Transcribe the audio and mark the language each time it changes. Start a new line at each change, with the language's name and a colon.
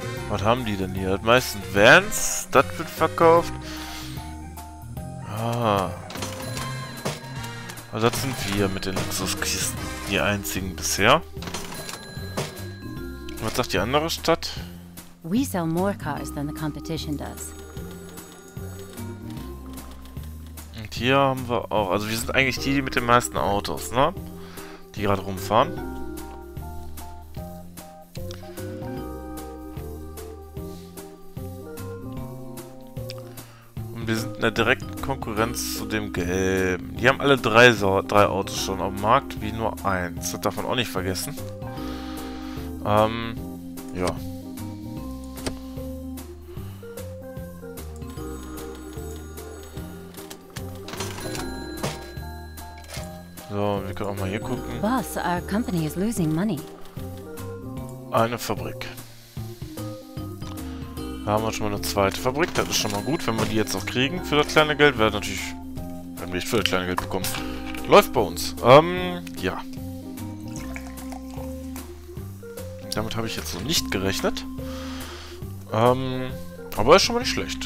German: Was haben die denn hier? Das meistens Vans. Das wird verkauft. Ah. Also das sind wir mit den Luxuskisten, die einzigen bisher. Was sagt die andere Stadt?
English: We sell more cars than the competition does.
German: Und hier haben wir auch, also wir sind eigentlich die mit den meisten Autos, ne? Die gerade rumfahren. Wir sind in der direkten Konkurrenz zu dem Gelben. Die haben alle drei Autos schon auf dem Markt, wie nur eins. Das darf man auch nicht vergessen. Ja. So, wir können auch mal hier gucken.
English: Boss, our company is losing money.
German: Eine Fabrik. Da haben wir schon mal eine zweite Fabrik, das ist schon mal gut, wenn wir die jetzt auch kriegen für das kleine Geld, wäre natürlich, wenn wir nicht für das kleine Geld bekommen. Läuft bei uns. Ja. Damit habe ich jetzt so nicht gerechnet. Aber ist schon mal nicht schlecht.